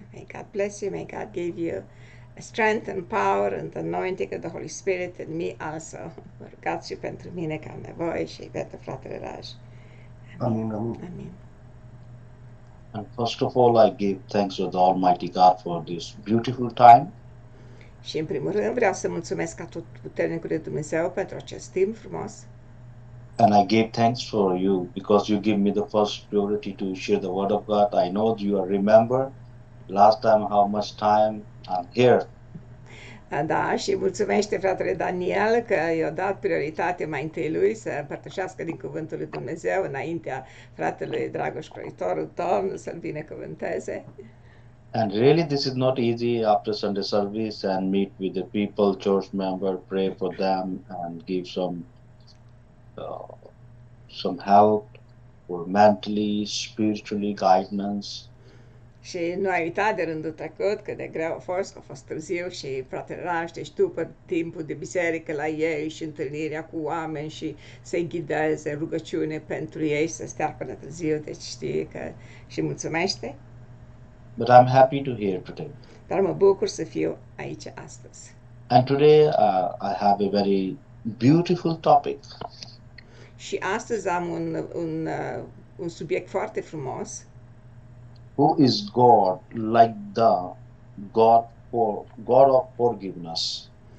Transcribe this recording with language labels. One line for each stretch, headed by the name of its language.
English: May God bless you, may God give you strength and power and anointing of the Holy Spirit and me also.
Romanian: Rugați pentru mine că am nevoie și pentru fratele Raj. Amin, amin. Amin.
English: And first of all, I give thanks to the Almighty God for this beautiful time.
Romanian: Și în primul rând vreau să mulțumesc Atotputernicului Dumnezeu pentru acest timp frumos.
English: And I give thanks for you because you give me the first priority to share the word of God. I know you remember last time how much time I'm here.
Romanian: Da, și mulțumește fratele Daniel că i-a dat prioritate mai întâi lui să împărtășească din cuvântul lui Dumnezeu înaintea fratelui Dragoș Croitorul Tom, să-l binecuvânteze.
English: And really this is not easy after Sunday service and meet with the people, church member, pray for them and give some help for mentally, spiritually guidance.
Romanian: Și nu ai uitat de rândul trecut cât de greu a fost târziu și fratele Raj, deci tu pe timpul de biserică la ei și întâlnirea cu oameni și să-i ghideze rugăciune pentru ei să stea până târziu, deci știi că și mulțumește.
English: But I'm happy to hear today.
Romanian: Dar mă bucur să fiu aici astăzi.
English: And today I have a very beautiful topic.
Romanian: Și astăzi am un subiect foarte frumos.
English: Who is God like the God of forgiveness?